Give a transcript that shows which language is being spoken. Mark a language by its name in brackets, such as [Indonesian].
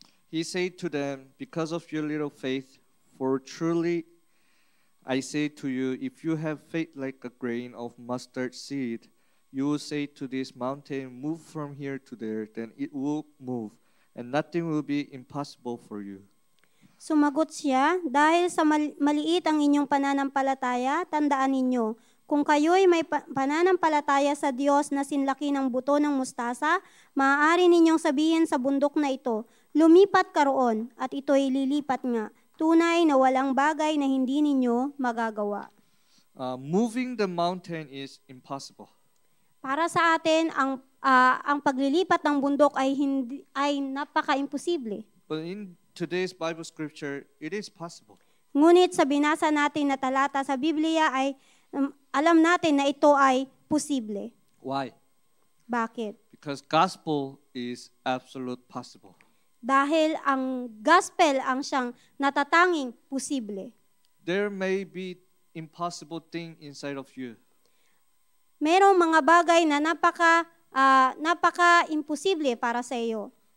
[English] He said to them, because of your little faith, for truly I say to you, if you have faith like a grain of mustard seed, you will say to this mountain, move from here to there, then it will move, and nothing will be impossible for you. [Filipino] Sumagot siya, dahil sa maliit ang inyong pananampalataya, tandaan ninyo, kung kayo'y may pananampalataya sa Diyos na sinlaki ng buto ng mustasa, maaari ninyong sabihin sa bundok na ito, lumipat karoon, at ito'y lilipat nga. Tunay na walang bagay na hindi ninyo magagawa. [English] Moving the mountain is impossible. [Filipino] Para sa atin, ang paglilipat ng bundok ay napaka-imposible. [English] But in today's Bible scripture, it is possible. [Filipino] Ngunit sa binasa natin na talata sa Biblia ay alam natin na ito ay posible. [English] Why? [Filipino] Bakit? [English] Because gospel is absolute possible. [Filipino] Dahil ang gospel ang siyang natatanging posible. [English] There may be impossible thing inside of you. [Filipino] Merong mga bagay na napaka-imposible para sa iyo.